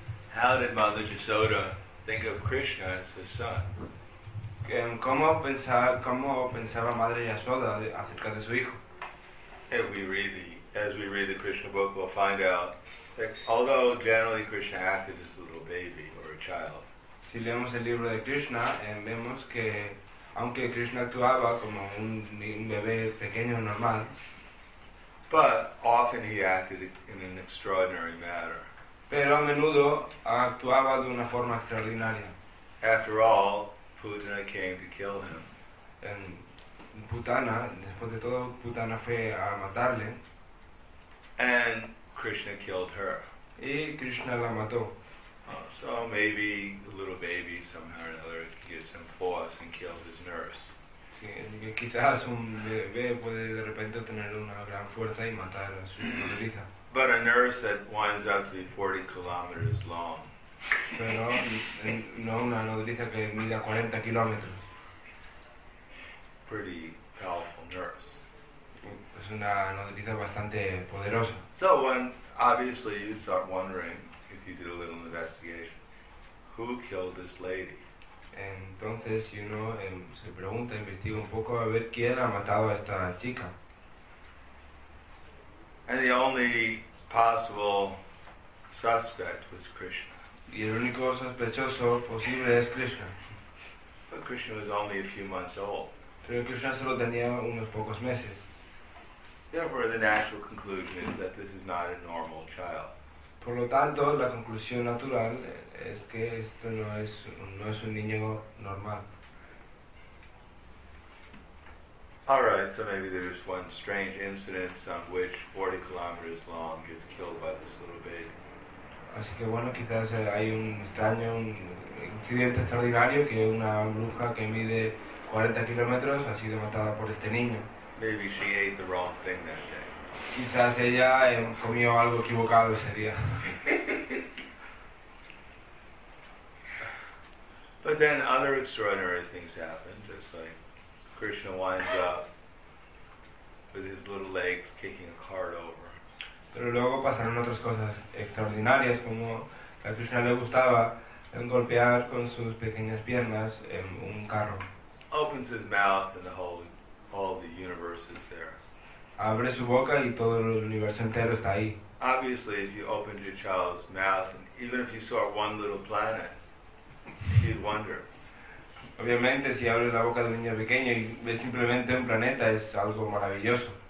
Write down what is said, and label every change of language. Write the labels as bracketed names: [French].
[English] How did Mother Yasoda think of Krishna as his son? [Spanish] ¿Cómo pensaba Madre Yasoda acerca de su hijo? [English] As we read the Krishna book, we'll find out that although generally Krishna acted as a little baby or a child, [Spanish] si leemos el libro de Krishna, vemos que aunque Krishna actuaba como un bebé pequeño normal, [English] but often he acted in an extraordinary manner. [Spanish] Pero a menudo actuaba de una forma extraordinaria. [English] After all, Putana came to kill him. [Spanish] Putana, después de todo, Putana fue a matarle. [English] And Krishna killed her. [Spanish] Y Krishna la mató. [English] So maybe the little baby somehow or another gets some force and killed his nurse. [Spanish] Sí, quizás un bebé puede de repente tener una gran fuerza y matar a su madriza. [English] But a nurse that winds up to be 40 kilometers long. [Spanish] Pero no una nodriza que mida 40 kilómetros. [English] Pretty powerful nurse. [Spanish] Es una nodriza bastante poderosa. [English] So one, obviously you start wondering, if you did a little investigation, who killed this lady? [Spanish] Entonces uno se pregunta, investiga un poco a ver quién ha matado a esta chica. [English] And the only possible suspect was Krishna. [Spanish] Y el único sospechoso posible es Krishna. [English] But Krishna was only a few months old. [Spanish] Pero Krishna solo tenía unos pocos meses. [English] Therefore, the natural conclusion is that this is not a normal child. [Spanish] Por lo tanto, la conclusión natural es que esto no es un niño normal. [English] All right, so maybe there's one strange incident on which 40 kilometers long gets killed by this little baby. [Spanish] Así que bueno, quizás hay un extraño, un incidente extraordinario, que una bruja que mide 40 kilómetros ha sido matada por este niño. [English] Maybe she ate the wrong thing that day. [Spanish] Quizás ella comió algo equivocado ese día. [English] But then other extraordinary things happen, just like Krishna winds up with his little legs kicking a cart over. [Spanish] Pero luego pasaron otras cosas extraordinarias, como que a Krishna le gustaba golpear con sus pequeñas piernas en un carro. [English] Opens his mouth and the whole, all the universe is there. [Spanish] Abre su boca y todo el universo entero está ahí. [English] Obviously, if you opened your child's mouth, and even if you saw one little planet, you'd wonder. [Spanish] Obviamente, si abres la boca de un niño pequeño y ves simplemente un planeta, es algo maravilloso.